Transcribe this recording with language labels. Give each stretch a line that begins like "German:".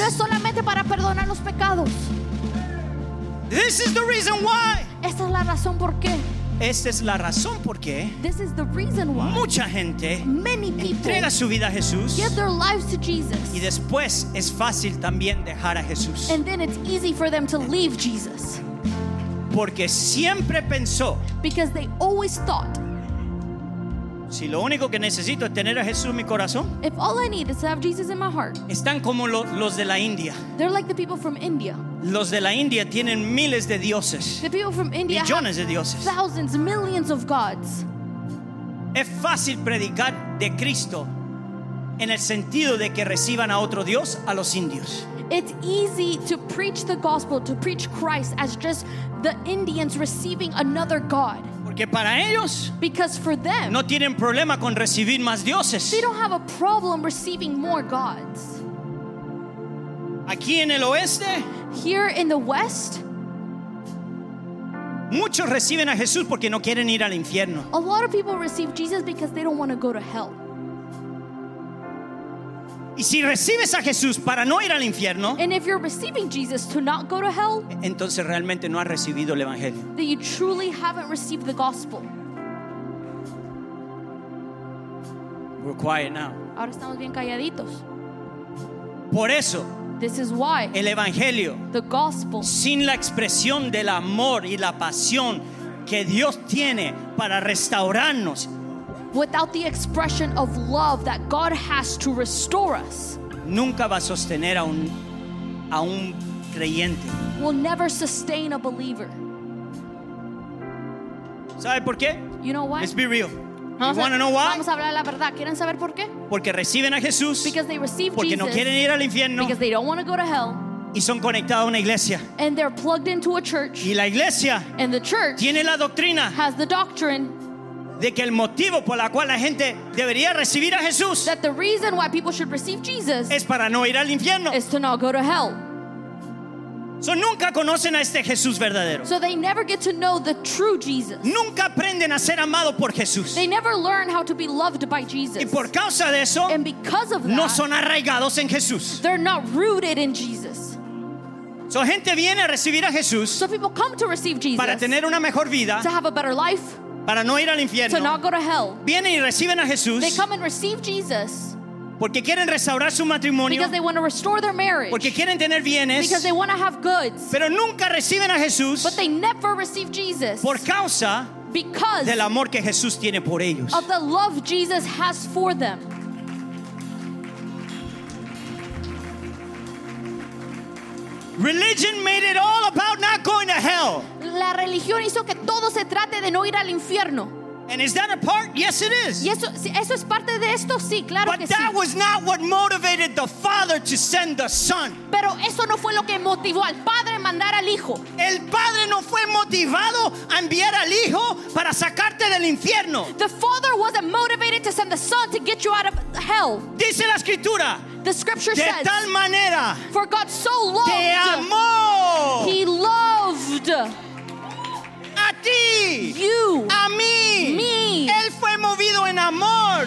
Spanish: No es solamente para perdonar los pecados.
English: This is the reason why.
Spanish: Esta es la razón por qué. Esta es la razón por qué.
English: This is the reason why.
Spanish: Mucha gente.
English: Many people.
Spanish: Entrega su vida a Jesús.
English: Give their lives to Jesus.
Spanish: Y después es fácil también dejar a Jesús.
English: And then it's easy for them to leave Jesus.
Spanish: Porque siempre pensó.
English: Because they always thought.
Spanish: Si lo único que necesito es tener a Jesús en mi corazón.
English: If all I need is to have Jesus in my heart.
Spanish: Están como los de la India.
English: They're like the people from India.
Spanish: Los de la India tienen miles de dioses.
English: The people from India
Spanish: millones
English: have
Spanish: de dioses.
English: Thousands, millions of gods.
Spanish: Es fácil predicar de Cristo en el sentido de que reciban a otro dios a los indios.
English: It's easy to preach the gospel, to preach Christ as just the Indians receiving another god.
Spanish: Que para ellos,
English: because for them,
Spanish: no tienen problema con recibir más dioses.
English: They don't have a problem receiving more gods.
Spanish: Aquí en el oeste,
English: here in the west,
Spanish: muchos reciben a Jesús porque no quieren ir al infierno.
English: A lot of people receive Jesus because they don't want to go to hell.
Spanish: Y si recibes a Jesús para no ir al infierno,
English: and if you're receiving Jesus to not go to hell,
Spanish: entonces realmente no has recibido el evangelio.
English: Then you truly haven't received the gospel. We're quiet now.
Spanish: Ahora estamos bien calladitos. Por eso,
English: this is why
Spanish: el evangelio,
English: the gospel,
Spanish: sin la expresión del amor y la pasión que Dios tiene para restaurarnos,
English: without the expression of love that God has to restore us,
Spanish: nunca va a sostener a un creyente.
English: Will never sustain a believer.
Spanish: ¿Sabe por qué?
English: You know why? Let's be real.
Spanish: Vamos,
English: you want to know why?
Spanish: Vamos a hablar la verdad. ¿Quieren saber por qué? Porque reciben a Jesús.
English: Because they receive
Spanish: porque
English: Jesus.
Spanish: Porque no quieren ir al infierno.
English: Because they don't want to go to hell.
Spanish: Y son conectados a una iglesia.
English: And they're plugged into a church.
Spanish: Y la iglesia.
English: And the church.
Spanish: Tiene la doctrina.
English: Has the doctrine.
Spanish: De que el motivo por la cual la gente debería recibir a Jesús,
English: that the reason why people should receive Jesus,
Spanish: es para no ir al infierno,
English: is to not go to hell.
Spanish: So nunca conocen a este Jesús verdadero.
English: So they never get to know the true Jesus.
Spanish: Nunca aprenden a ser amado por Jesús.
English: They never learn how to be loved by Jesus.
Spanish: Y por causa de eso,
English: and because of that,
Spanish: no son arraigados en Jesús.
English: They're not rooted in Jesus.
Spanish: So gente viene a recibir a Jesús,
English: so people come to receive Jesus,
Spanish: para tener una mejor vida,
English: to have a better life,
Spanish: para no ir al infierno,
English: to not go to hell.
Spanish: Vienen y reciben a Jesús,
English: they come and receive Jesus,
Spanish: porque quieren restaurar su matrimonio,
English: because they want to restore their marriage,
Spanish: porque quieren tener bienes,
English: because they want to have goods,
Spanish: pero nunca reciben a Jesús,
English: but they never receive Jesus,
Spanish: por causa,
English: because
Spanish: del amor que Jesús tiene por ellos,
English: of the love Jesus has for them. Religion made it all about not going to hell.
Spanish: La religión hizo que todo se trate de no ir al infierno.
English: And is that a part? Yes, it is.
Spanish: Y eso es parte de esto, sí, claro que sí. But
English: that was not what motivated the Father to send the Son.
Spanish: Pero eso no fue lo que motivó al Padre mandar al Hijo. El Padre no fue motivado a enviar al Hijo para sacarte del infierno.
English: The Father wasn't motivated to send the Son to get you out of hell.
Spanish: Dice la Escritura.
English: The Scripture says.
Spanish: De tal manera.
English: For God so loved.
Spanish: Te amó.
English: He loved.
Spanish: A ti.
English: You.
Spanish: A mí.
English: Me.
Spanish: Él fue movido en amor.